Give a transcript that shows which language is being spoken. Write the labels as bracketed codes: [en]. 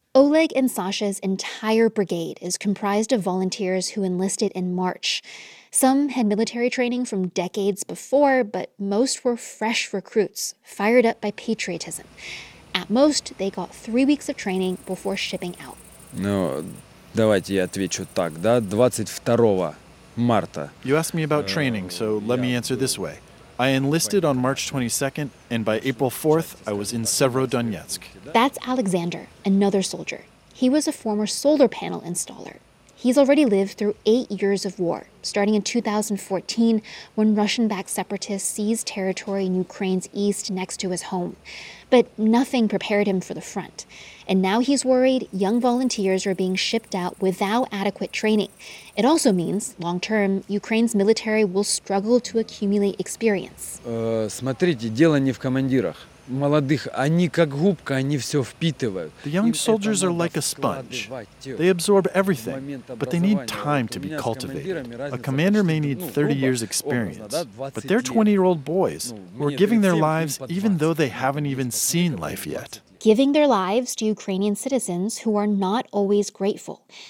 [en] Oleg and Sasha's entire brigade is comprised of volunteers who enlisted in March. Some had military training from decades before, but most were fresh recruits, fired up by patriotism. At most, they got 3 weeks of training before shipping out. No. [ru] Давайте я отвечу так, да, 22 марта. [en] You asked me about training, so let me answer this way. I enlisted on March 22nd, and by April 4th, I was in Severodonetsk. That's Alexander, another soldier. He was a former solar panel installer. He's already lived through 8 years of war, starting in 2014 when Russian-backed separatists seized territory in Ukraine's east next to his home. But nothing prepared him for the front. And now he's worried young volunteers are being shipped out without adequate training. It also means, long-term, Ukraine's military will struggle to accumulate experience. [ru] Смотрите, дело не в командирах. Молодых, они как губка, они все впитывают. [en] The young soldiers are like a sponge. They absorb everything, but they need time to be cultivated. A commander may need 30 years experience, but they're 20-year-old boys who are giving their lives even though they haven't even seen life yet. Giving their lives to Ukrainian citizens who are not always grateful.